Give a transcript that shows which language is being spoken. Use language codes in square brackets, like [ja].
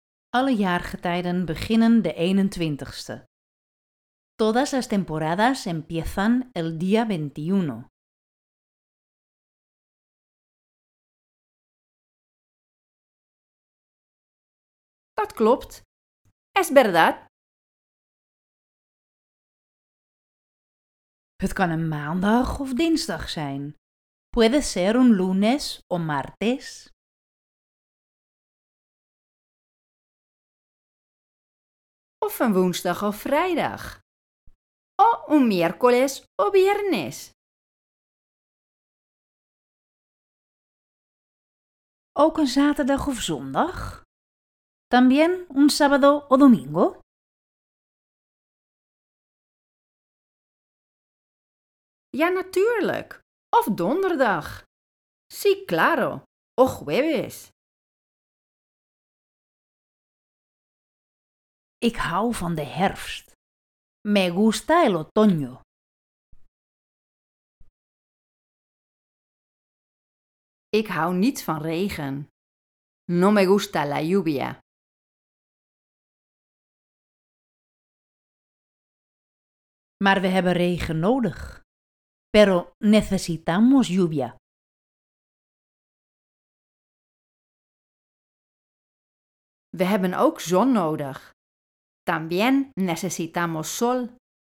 [nl] Alle jaargetijden beginnen de 21ste. [es] Todas las temporadas empiezan el día 21. [nl] Dat klopt. [es] Es verdad. [nl] Het kan een maandag of dinsdag zijn. [es] Puede ser un lunes o martes. [nl] Of een woensdag of vrijdag. [es] O un miércoles o viernes. [nl] Ook een zaterdag of zondag. [es] También un sábado o domingo. [nl] Ja, natuurlijk. Of donderdag. [es] Sí, claro. O jueves. [nl] Ik hou van de herfst. [es] Me gusta el otoño. [nl] Ik hou niet van regen. [es] No me gusta la lluvia. [nl] Maar we hebben regen nodig. [es] Pero necesitamos lluvia. [nl] We hebben ook zon nodig. [es] También necesitamos sol.